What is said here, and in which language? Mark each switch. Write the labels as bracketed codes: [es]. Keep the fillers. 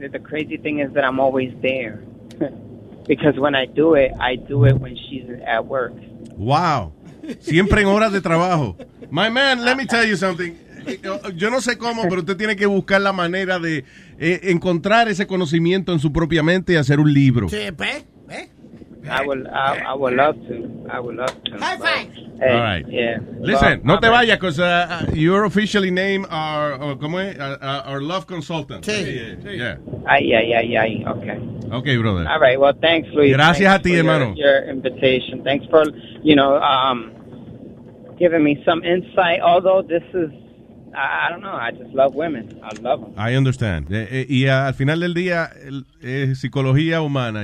[en] The crazy thing is that I'm always there. Because when I do it, I do it when she's at work. [es] Wow. Siempre en horas de trabajo. [en] My man, let me tell you something. [es] Yo, yo no sé cómo, pero usted tiene que buscar la manera de eh, encontrar ese conocimiento en su propia mente y hacer un libro. [en] Sí, pe? I would, I, I would love to. I would love to. But, hey, All right. Yeah. Listen, well, [es] no te vayas, [en] because uh, uh, your officially name are uh, our love consultant. Sí. Hey, yeah. Ay, yeah. yeah. yeah, Okay. Okay, brother. All right. Well, thanks, Luis. [es] Gracias [en] thanks [es] a ti, hermano. [en] Your, your, invitation. Thanks for, you know, um, giving me some insight. Although this is. I, I don't know. I just love women. I love them. I understand. [es] Y, y, y al final del día, es eh, psicología humana.